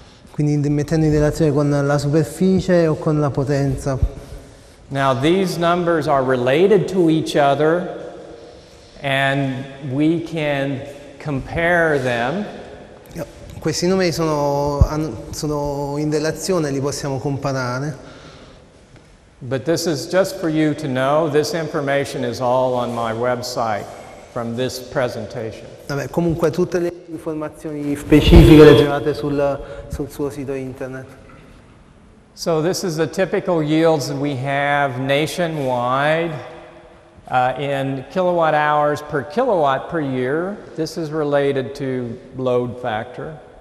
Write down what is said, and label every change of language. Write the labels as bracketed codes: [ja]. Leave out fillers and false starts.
[it] Quindi mettendo in relazione con la superficie o con la potenza. [en] Now these numbers are related to each other and we can compare them. [it] Questi numeri sono in relazione, li possiamo comparare. [en] But this is just for you to know, this information is all on my website from this presentation. [it] Vabbè, comunque tutte le informazioni specifiche le trovate sul suo sito internet. [en] So this is the typical yields that we have nationwide in kilowatt hours per kilowatt per year. This is related to load factor.